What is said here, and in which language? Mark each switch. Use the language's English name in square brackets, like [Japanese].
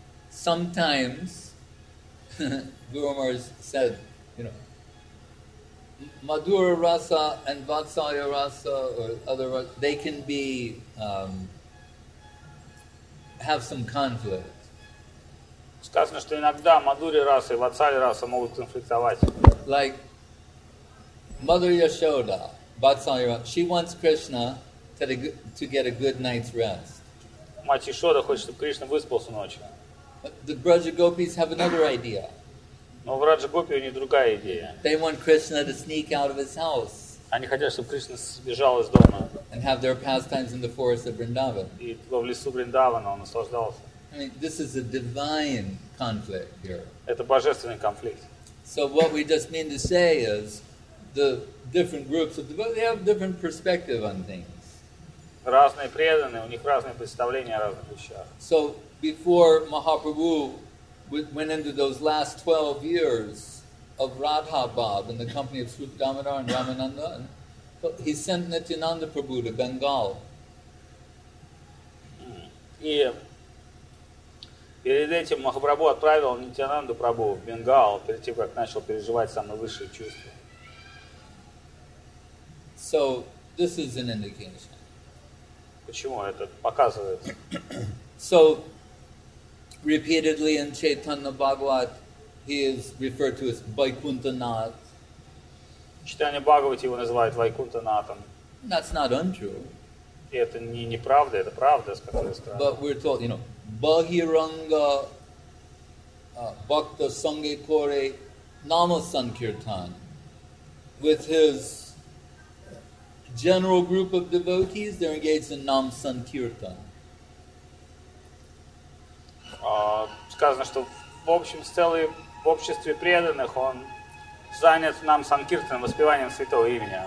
[English] Sometimes, Guru Maharaj said, you know, Madhura Rasa and Vatsalya Rasa or other rasa, they can be, have some conflict. [Russian] Сказано, что иногда Мадури Раса и Ватсалья Раса могут конфликтовать. [English] Like, Mother Yashoda, Vatsalya Rasa, she wants Krishna to get a good night's rest. [Russian] Мать Яшода хочет, чтобы Кришна выспался ночью. [English] But the Braja Gopis have another idea. [Russian] Но в Раджа Гопи у них другая идея. [English] They want Krishna to sneak out of his house. [Russian] Они хотят, чтобы Кришна сбежал из дома. [English] And have their pastimes in the forest of Vrindavan. [Russian] И в лесу Вриндавана он наслаждался. [English] I mean, this is a divine conflict here. [Russian] Это божественный конфликт. [English] So what we just mean to say is, the different groups of devotees, they have different perspective on things. [Russian] Разные преданные, у них разные представления о разных вещах. [English] So, before Mahaprabhu went into those last 12 years of Radha Bab in the company of Srupa Damodar and Ramananda, he sent Nityananda Prabhu to Bengal. [Russian] Перед этим Махапрабху отправил Нитянанду Прабху в Бенгал, перед тем, как начал переживать самые высшие чувства. [English] So, this is an indication. [Russian] Почему это показывает? [English] So, repeatedly in Chaitanya Bhagavat, he is referred to as Vaikunthanath. [Russian] Chaitanya Bhagavat его называют Вайкунтанатом. [English] That's not untrue. [Russian] Это не неправда, это правда, с какой стороны. [English] But we're told, you know, [Bangla] Bahiranga Bhakta Sange Kore Nama Sankirtan. [English] With his general group of devotees, they're engaged in Nam Sankirtan. [Russian] Сказано, что в общем целом в обществе преданных он занят нам санкиртаном, воспеванием святого имени.